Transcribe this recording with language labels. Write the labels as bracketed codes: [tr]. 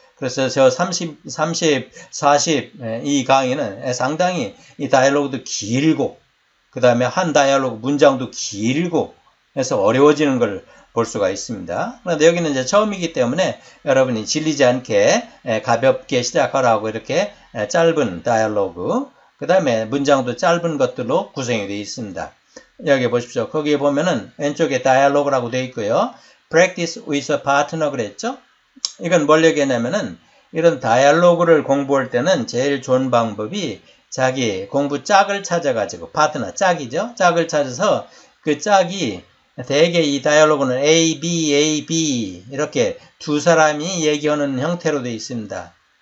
[ko] 그래서 저 30, 40, 이 강의는 상당히 이 다이얼로그도 길고, 그 다음에 한 다이얼로그 문장도 길고, 해서 어려워지는 걸 볼 수가 있습니다. 그런데 여기는 이제 처음이기 때문에 여러분이 질리지 않게 가볍게 시작하라고 이렇게 짧은 다이얼로그, 그 다음에 문장도 짧은 것들로 구성이 되어 있습니다. 여기 보십시오. 거기에 보면은 왼쪽에 다이얼로그라고 되어 있고요. [en] Practice with a partner [ko] 그랬죠? 이건 뭘 얘기하냐면은 이런 다이얼로그를 공부할 때는 제일 좋은 방법이 자기 공부 짝을 찾아가지고, 파트너 짝이죠? 짝을 찾아서 그 짝이 대개 이 다이얼로그는 A, B, A, B 이렇게 두 사람이 얘기하는 형태로 되어 있습니다.